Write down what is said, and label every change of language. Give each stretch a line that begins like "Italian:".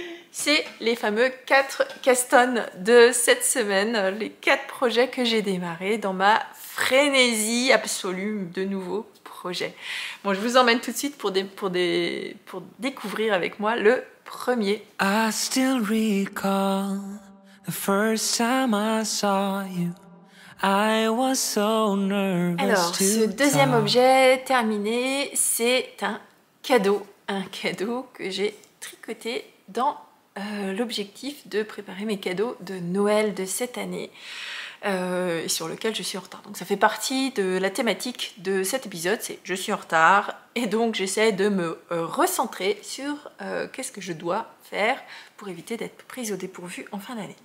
French: C'est les fameux 4 castons de cette semaine. Les 4 projets que j'ai démarrés dans ma frénésie absolue de nouveaux projets. Bon, je vous emmène tout de suite pour découvrir avec moi le premier.
English: I still recall the first time I saw you. I was so nervous.
French: Alors, ce deuxième objet terminé, c'est un cadeau. Un cadeau que j'ai tricoté dans l'objectif de préparer mes cadeaux de Noël de cette année. Et sur lequel je suis en retard. Donc ça fait partie de la thématique de cet épisode, c'est je suis en retard, et donc j'essaie de me recentrer sur qu'est-ce que je dois faire pour éviter d'être prise au dépourvu en fin d'année.